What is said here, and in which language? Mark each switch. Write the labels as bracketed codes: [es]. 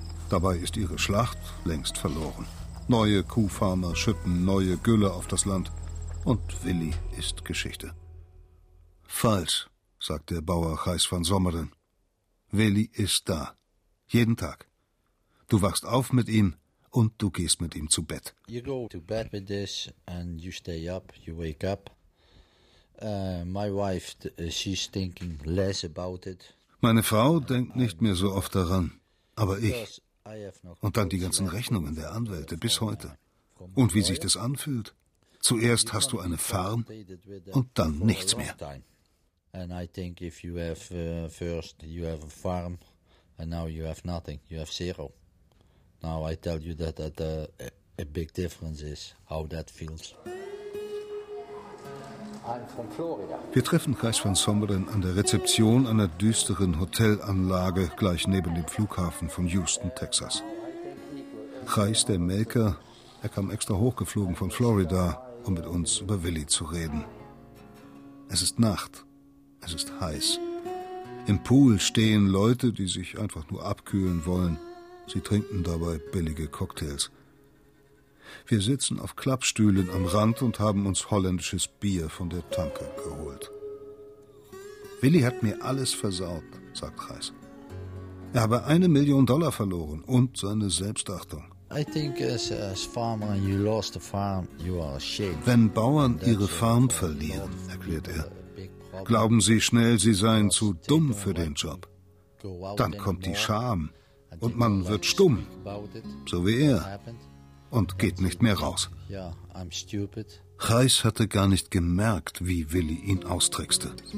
[de] Dabei ist ihre Schlacht längst verloren. Neue Kuhfarmer schütten neue Gülle auf das Land. und Willi ist Geschichte. Falsch, sagt der Bauer Gijs van Sommeren. Willi ist da, jeden Tag. Du wachst auf mit ihm und du gehst mit ihm zu Bett. [en] You go to bed with this and you stay up, you wake up. My wife, she's thinking less about it. [de] Meine Frau denkt nicht mehr so oft daran, aber ich. Und dann die ganzen Rechnungen der Anwälte bis heute. Und wie sich das anfühlt. Zuerst hast du eine Farm und dann nichts mehr. [en] And I think if you have first you have a farm and now you have nothing, you have zero. Now I tell you that a big difference is how that feels. [de] Wir treffen Gijs van Sommeren an der Rezeption einer düsteren Hotelanlage gleich neben dem Flughafen von Houston, Texas. Gijs, der Melker, er kam extra hochgeflogen von Florida, um mit uns über Willi zu reden. Es ist Nacht, es ist heiß. Im Pool stehen Leute, die sich einfach nur abkühlen wollen. Sie trinken dabei billige Cocktails. Wir sitzen auf Klappstühlen am Rand und haben uns holländisches Bier von der Tanke geholt. Willi hat mir alles versaut, sagt Gijs. Er habe $1 million verloren und seine Selbstachtung. [en] I think as farmer and you lost the farm, you are ashamed. [de] Wenn Bauern ihre Farm verlieren, erklärt er, glauben sie schnell, sie seien zu dumm für den Job. Dann kommt die Scham und man wird stumm, so wie er. Und geht nicht mehr raus. Gijs hatte gar nicht gemerkt, wie Willi ihn austrickste.